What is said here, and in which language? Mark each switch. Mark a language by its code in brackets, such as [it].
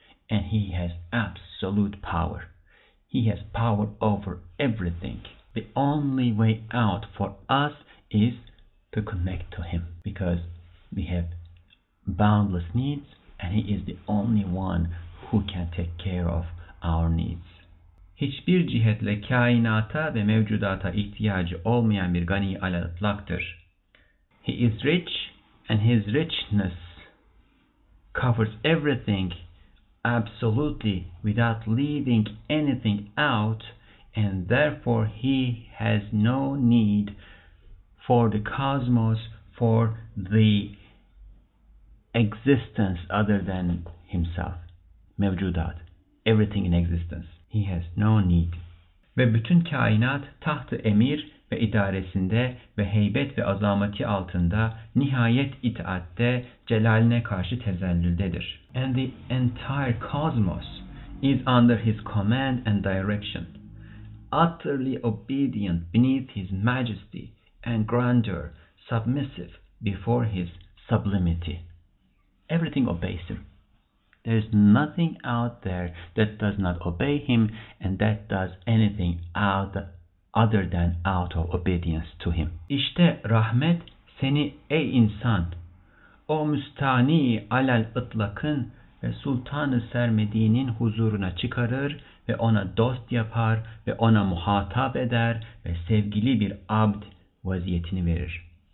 [en] And He has absolute power. He has power over everything. The only way out for us is to connect to Him, because we have boundless needs and He is the only one who can take care of our needs. [tr] Hiçbir cihetle kainata ve mevcudata ihtiyacı olmayan bir gani alatlaktır. [en] He is rich and His richness covers everything absolutely without leaving anything out, and therefore He has no need for the cosmos, for the existence other than Himself. Mevcudat. Everything in existence. He has no need. [tr] Ve bütün kainat taht-ı emir ve idaresinde ve heybet ve azameti altında nihayet itaatte celaline karşı tezellüldedir. [en] And the entire cosmos is under His command and direction. Utterly obedient beneath His majesty and grandeur, submissive before His sublimity. Everything obeys Him. There is nothing out there that does not obey Him and that does anything other than out of obedience to Him. [tr] İşte rahmet seni ey insan, o müstani alal ıtlakın ve sultanı sermediğinin huzuruna çıkarır ve ona dost yapar ve ona muhatap eder ve sevgili bir abd vaziyetini verir.